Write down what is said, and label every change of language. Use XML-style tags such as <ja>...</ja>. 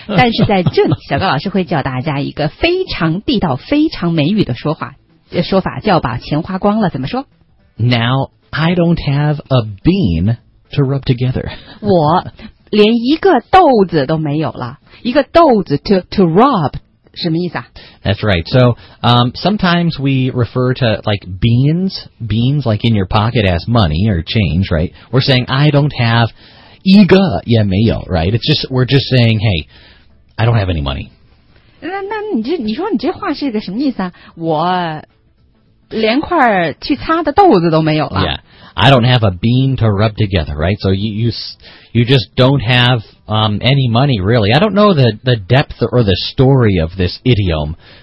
<zh>但是在这里，小高老师会教大家一个非常地道、非常美语的说法，叫把钱花光了。怎么说</zh> <en>？Now I don't have a bean to rub together.</en> <zh>我连一个豆子都没有了。一个豆子</zh> <en>to rub</en> <zh>什么意思啊</zh> <en>？That's right. So sometimes we refer to like beans like in your pocket as money or change, right? We're saying I don't have.</en> <zh>一个也没有</zh> <en>right? It's just, we're just saying, hey, I don't have any money.</en> <zh>那你说你这话是个什么意思啊？我连块去擦的豆子都没有了。</zh> <en>Yeah, I don't have a bean to rub together, right? So you just don't have any money, really. I don't know the depth or the story of this idiom.</en>